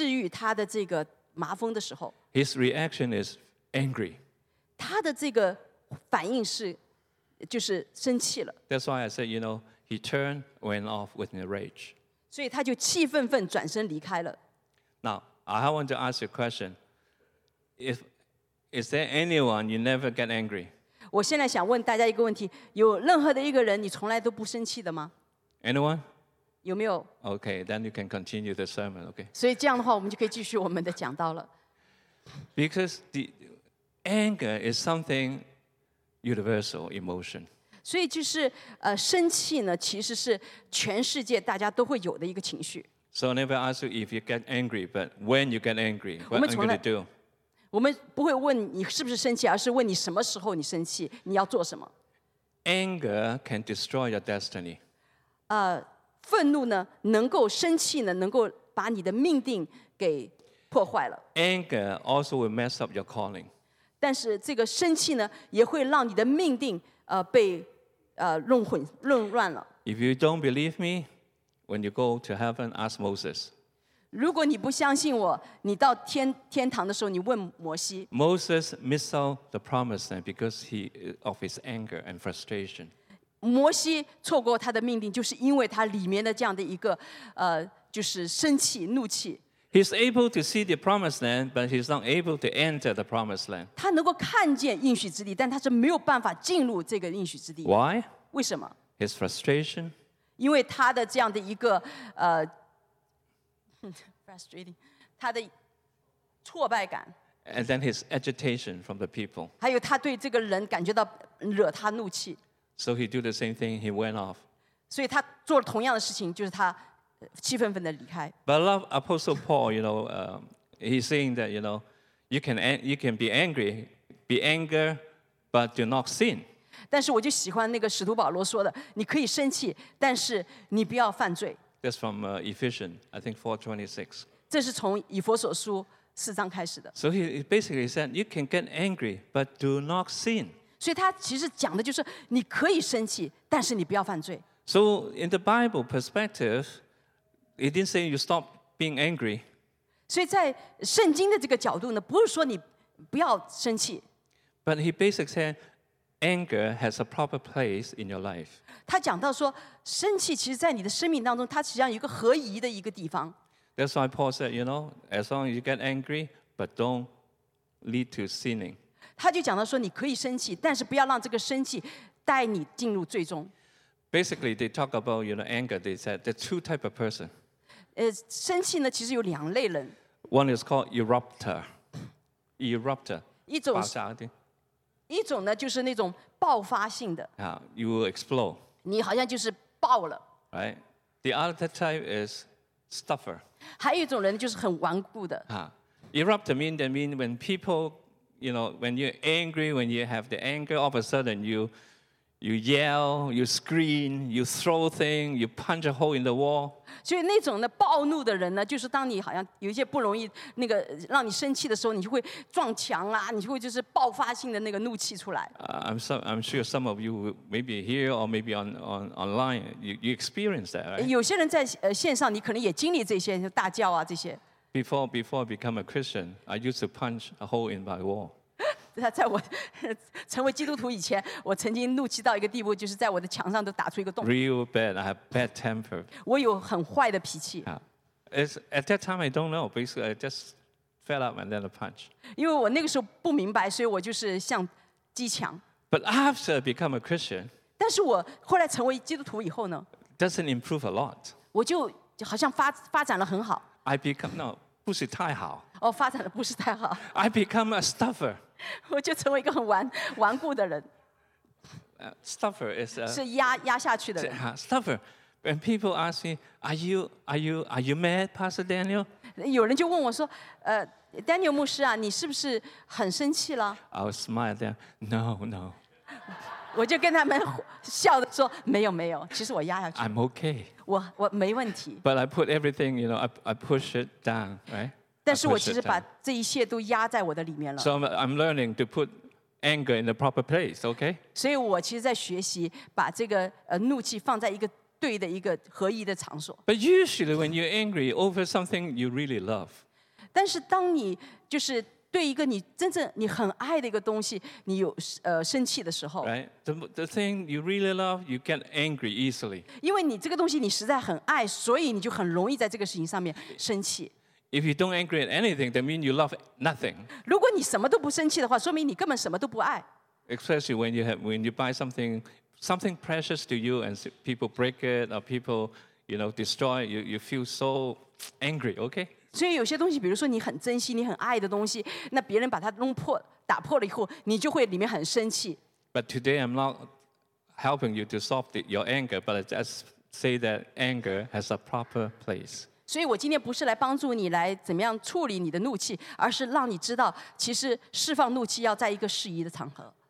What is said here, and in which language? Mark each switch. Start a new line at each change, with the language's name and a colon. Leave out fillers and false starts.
Chinese: 但是让我很惊讶，就是当这个小女孩跟她讲一个很简单的一个方法来治愈她的这个麻风的时候，
English: His reaction is angry.
Chinese: 她的这个反应是，就是生气了。
English: That's why I said, you know, he turned, went off with a rage.
Chinese: 所以她就气愤愤转身离开了。
English: Now, I want to ask you a question. Is there anyone you never get angry?
Chinese: 我现在想问大家一个问题，有任何的一个人，你从来都不生气的吗？
English: Anyone?
Chinese: 有没有？
English: Okay, then you can continue the sermon, okay?
Chinese: 所以这样的话，我们就可以继续我们的讲道了。
English: Because the anger is something universal emotion.
Chinese: 所以就是生气呢，其实是全世界大家都会有的一个情绪。
English: So I never ask you if you get angry, but when you get angry, what are you going to do?
Chinese: 我们不会问你是不是生气，而是问你什么时候你生气，你要做什么。
English: Anger can destroy your destiny.
Chinese: 愤怒呢，能够生气呢，能够把你的命定给破坏了。
English: Anger also will mess up your calling.
Chinese: 但是这个生气呢，也会让你的命定被弄混弄乱了。
English: If you don't believe me, when you go to heaven, ask Moses.
Chinese: 如果你不相信我，你到天堂的时候，你问摩西。
English: Moses missed out the promise then because he of his anger and frustration.
Chinese: 摩西错过他的命定，就是因为他里面的这样的一个就是生气怒气。
English: He's able to see the promised land, but he's not able to enter the promised land.
Chinese: 他能够看见应许之地，但他是没有办法进入这个应许之地。
English: Why?
Chinese: 为什么？
English: His frustration.
Chinese: 因为他的这样的一个
English: frustrating，
Chinese: 他的挫败感。
English: And then his agitation from the people.
Chinese: 还有他对这个人感觉到惹他怒气。
English: So he do the same thing. He went off.
Chinese: 所以他做了同样的事情，就是他。
English: But I love Apostle Paul, you know, he's saying that, you know, you can be angry, be anger, but do not sin.
Chinese: 但是我就喜欢那个使徒保罗说的，你可以生气，但是你不要犯罪。
English: That's from Ephesians, I think 4:26.
Chinese: 这是从以弗所书四章开始的。
English: So he basically said, you can get angry, but do not sin.
Chinese: 所以他其实讲的就是你可以生气，但是你不要犯罪。
English: So in the Bible perspective,He didn't say you stop being angry.
Chinese: 所以在圣经的这个角度呢，不是说你不要生气。
English: But he basically said anger has a proper place in your life.
Chinese: 他讲到说，生气其实在你的生命当中，它实际上有一个合宜的一个地方。
English: That's why Paul said, you know, as long as you get angry, but don't lead to sinning.
Chinese: 他就讲到说，你可以生气，但是不要让这个生气带你进入最终。
English: Basically, they talk about, you know, anger. They said there are two types of person.
Chinese: 生气呢，其实有两类人。
English: One is called eruptor. Eruptor.
Chinese: 一种爆炸的。一种呢，就是那种爆发性的。
English: Yeah, you will explode.
Chinese: 你好像就是爆了。
English: Right. The other type is stuffer.
Chinese: 还有一种人就是很顽固的。
English: Eruptor means when people, you know, when you're angry, when you have the anger, all of a sudden You yell, you scream, you throw things, you punch a hole in the wall.
Chinese: 所以那种的暴怒的人呢，就是当你好像有一些不容易那个让你生气的时候，你就会撞墙啊，你就会就是爆发性的那个怒气出来。
English: I'm sure some of you maybe here or maybe online, you experience that, right?
Chinese: 有些人在线上，你可能也经历这些大叫啊这些。
English: Before I become a Christian, I used to punch a hole in my wall.
Chinese: 在我成为基督徒以前，我曾经怒气到一个地步，就是在我的墙上都打出一个洞。
English: Real bad, I have bad temper.
Chinese: 我有很坏的脾气。
English: At that time, I don't know. Basically, I just fell up and then a punch.
Chinese: 因为我那个时候不明白，所以我就是像击墙。
English: But after I become a Christian,
Chinese: 但是我后来成为基督徒以后呢
English: ，doesn't improve a lot.
Chinese: 我就好像发展了很好。
English: I become no
Chinese: 不是太好。哦，发展的不是太好。
English: I become a stuffer.
Chinese: 我就成为一个很顽固的人。
English: Stuffer is
Chinese: 是压下去的人。
English: Stuffer, when people ask me, are you mad, Pastor Daniel?
Chinese: 有人就问我说，Daniel 牧师啊，你是不是很生气了
English: ？I'll smile them. No, no.
Chinese: 我就跟他们笑着说，没有没有，其实我压下去。
English: I'm okay.
Chinese: 我没问题。
English: But I put everything, you know, I push it down, right?
Chinese: 但是我其实把这一切都压在我的里面了。
English: So I'm learning to put anger in the proper place, okay?
Chinese: 所以我其实在学习把这个怒气放在一个对的一个合宜的场所。
English: But usually when you're angry over something you really love,
Chinese: 但是当你就是对一个你真正你很爱的一个东西，你有生气的时候
English: ，right? The thing you really love, you get angry easily.
Chinese: 因为你这个东西你实在很爱，所以你就很容易在这个事情上面生气。
English: If you don't angry at anything, that means you love nothing.
Chinese: 如果你什么都不生气的话，说明你根本什么都不爱。
English: Especially when you buy something precious to you, and people break it or people, you know, destroy, you feel so angry. Okay.
Chinese: 所以有些东西，比如说你很珍惜、你很爱的东西，那别人把它弄破、打破了以后，你就会里面很生气。
English: But today I'm not helping you to solve your anger, but I just say that anger has a proper place.
Chinese: 所以我今天不是来帮助你来怎么样处理你的怒气，而是让你知道，其实释放怒气要在一个适宜的场合。